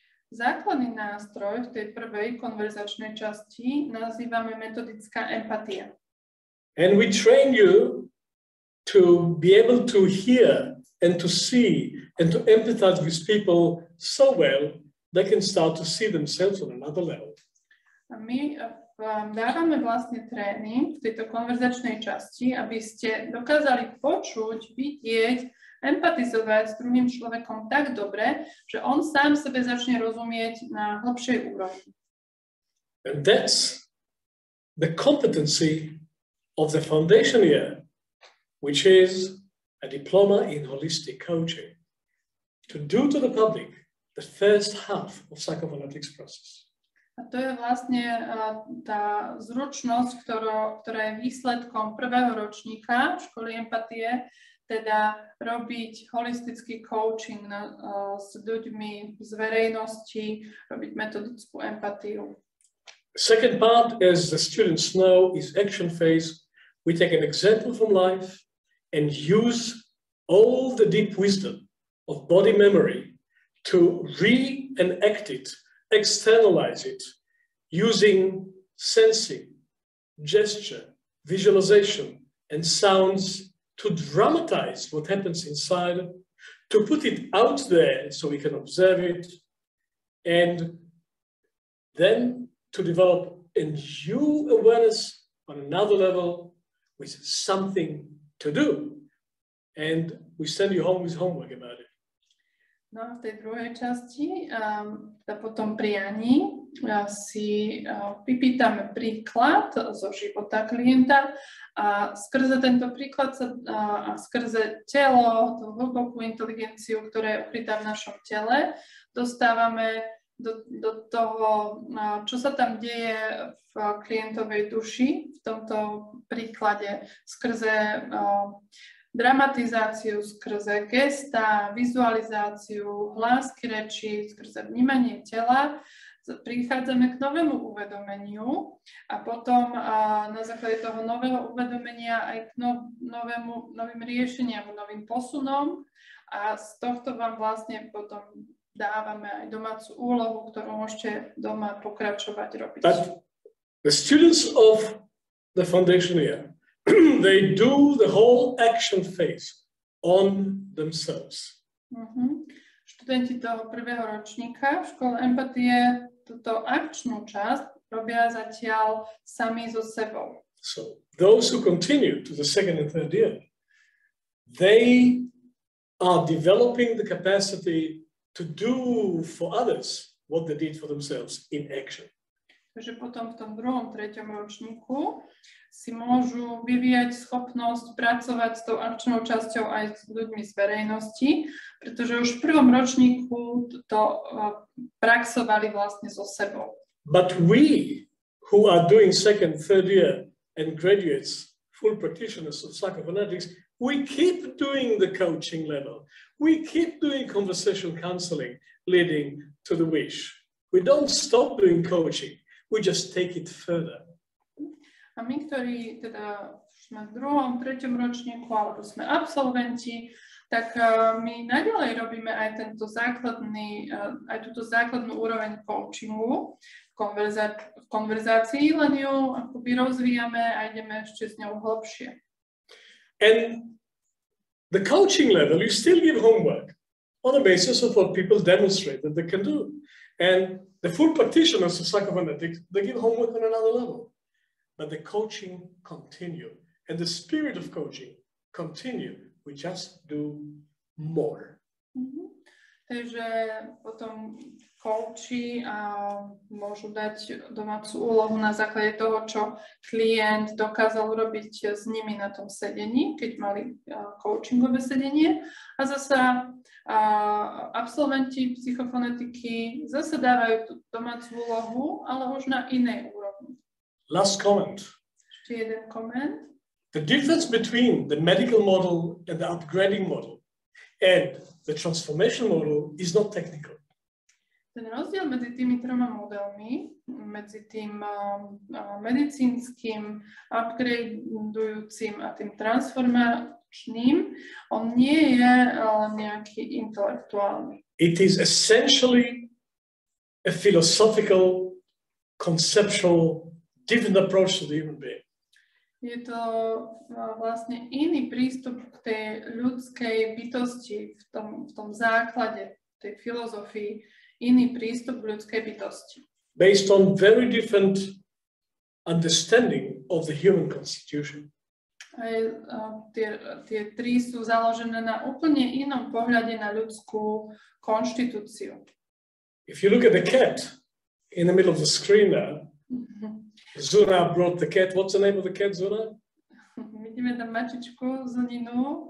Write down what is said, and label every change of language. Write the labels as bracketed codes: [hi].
[sk] Základný nástroj v tej prvej konverzačnej časti nazývame metodická empatia. [en] And we train you to be able to hear and to see and to empathize with people so well they can start to see themselves on another level. [sk] A my vám dávame vlastne tréning v tejto konverzačnej časti, aby ste dokázali počuť, vidieť, empatizovať s druhým človekom tak dobre, že on sám sebe začne rozumieť na hlbšej úrovni. [en] And that's the competency of the foundation year, which is a diploma in holistic coaching, to do to the public the first half of psychophonetics process. [sk] A to je vlastne tá zručnosť, ktorá je výsledkom prvého ročníka školy empatie, teda robiť holistický coaching s ľuďmi z verejnosti, robiť metodickú empatiu. [en] Second part, as the students know, is action phase, We take an example from life and use all the deep wisdom of body memory to re-enact it, externalize it, using sensing, gesture, visualization, and sounds to dramatize what happens inside, to put it out there so we can observe it, and then to develop a new awareness on another level with something to do. And we send you home with homework about it. [sk] No a v tej druhej časti a potom prianí si vypýtame príklad zo života klienta a skrze tento príklad sa, a skrze telo, tú hlbokú inteligenciu, ktorá je ukrytá v našom tele, dostávame do toho, čo sa tam deje v klientovej duši v tomto príklade skrze dramatizáciu, skrze gesta, vizualizáciu, hlásky reči, skrze vnímanie tela, prichádzame k novému uvedomeniu a potom na základe toho nového uvedomenia aj k novým riešeniam, novým posunom a z tohto vám vlastne potom dávame aj domácu úlohu, ktorú môžete doma pokračovať robiť. [en] But the students of the foundation year, they do the whole action phase on themselves. [sk] Študenti toho prvého ročníka v škole empatie túto akčnú časť robia zatiaľ sami so sebou. [en] So those who continue to the second and third year, they are developing the capacity to do for others what they did for themselves in action. [sk] Takže potom v tom druhom, treťom ročníku si môžu vyvíjať schopnosť pracovať s tou akčnou časťou aj s ľuďmi z verejnosti, pretože už v prvom ročníku to praxovali vlastne so sebou. [en] But we, who are doing second, third year and graduates, full practitioners of psychophonetics, we keep doing the coaching level. We keep doing conversational counseling leading to the wish. We don't stop doing coaching. We just take it further. [sk] A my, ktorí teda sme v druhom, treťom ročníku, alebo sme absolventi, tak my naďalej robíme aj tento základný, aj túto základnú úroveň coachingu v konverzácii, len ju akoby rozvíjame a ideme ešte s ňou hlbšie. [en] And the coaching level, you still give homework on the basis of what people demonstrate that they can do. And the full practitioners of psychophonetics, they give homework on another level. But the coaching continue. And the spirit of coaching continue. We just do more. [sk] Takže potom coachi môžu dať domácu úlohu na základe toho, čo klient dokázal urobiť s nimi na tom sedení, keď mali coachingové sedenie. A zasa absolventi psychofonetiky zase dávajú domácu úlohu, ale už na inej úrovni. [en] Last comment. [sk] Ešte jeden comment. [en] The difference between the medical model and the upgrading model and the transformation model is not technical. [sk] Ten rozdiel medzi tými troma modelmi, medzi tým medicínskym, upgradeujúcim a tým transformačným, on nie je nejaký intelektuálny. [en] It is essentially a philosophical, conceptual, different approach to the human being. [sk] Je to vlastne iný prístup k tej ľudskej bytosti v tom základe tej filozofii, iný prístup k ľudskej bytosti. [en] Based on very different understanding of the human constitution. [sk] Aj tie tri sú založené na úplne inom pohľade na ľudskú konštitúciu. [en] If you look at the cat in the middle of the screen there, Zuna brought the cat. What's the name of the cat, Zuna? [sk] Vidíme tam mačičku, Zuninu.